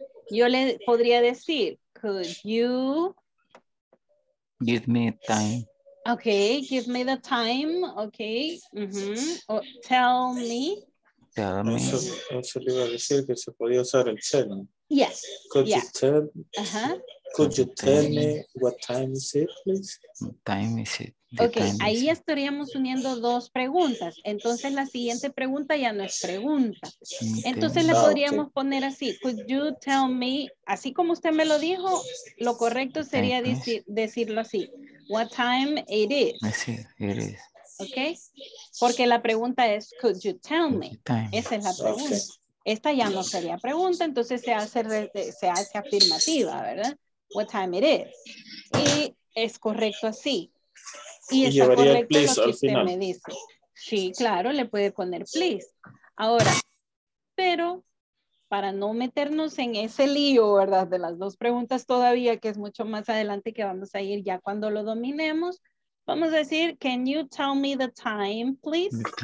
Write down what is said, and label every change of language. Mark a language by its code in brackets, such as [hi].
[es] Yo le podría decir, [en] could you give me time? Okay, give me the time. Okay, mm-hmm. Or tell me. Tell me. [es] Eso le iba a decir que se podía usar el tell. [en] Yes. Could yeah. you tell? Uh-huh. Could you tell me what time is it, please? What time is it? [es] Okay, ahí estaríamos uniendo dos preguntas. Entonces la siguiente pregunta ya no es pregunta. Entonces le podríamos poner así. [en] Could you tell me? [es] Así como usted me lo dijo, lo correcto sería decirlo así. [en] What time it is? [es] Así, [en] it is. Okay. [es] Porque la pregunta es, [en] could you tell me? [es] Esa es la pregunta. Esta ya no sería pregunta, entonces se hace afirmativa, ¿verdad? [en] What time it is? [es] Y es correcto así. Y está correcto lo que usted me dice. Sí, claro, le puede poner please. Ahora, pero para no meternos en ese lío, ¿verdad? De las dos preguntas todavía, que es mucho más adelante que vamos a ir ya cuando lo dominemos. Vamos a decir, [en] can you tell me the time, please?